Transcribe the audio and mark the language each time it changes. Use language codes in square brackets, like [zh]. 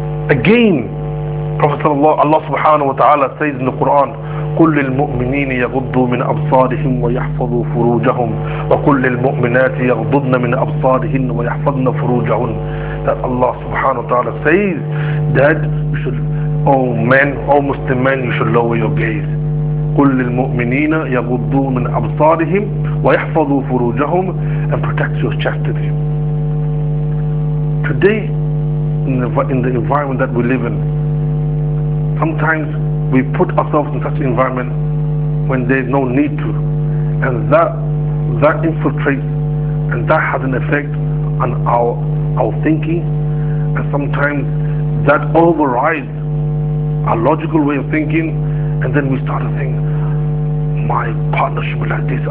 [en] Again, Prophet Allah subhanahu wa ta'ala says in the Quran, [ar] قل للمؤمنين يغضوا من أبصارهم ويحفظوا فروجهم وقل للمؤمنات يغضضن من أبصارهن ويحفظن فروجهن. [en] That Allah subhanahu wa ta'ala says that you should, O Muslim men, you should lower your gaze. [ar] قل للمؤمنين يغضوا من أبصارهم ويحفظوا فروجهم, [en] and protect your chastity. Today, in the environment that we live in, sometimes we put ourselves in such an environment when there's no need to, and that infiltrates, and that has an effect on our thinking, and sometimes that overrides our logical way of thinking, and then we start to think, my partner should be like this.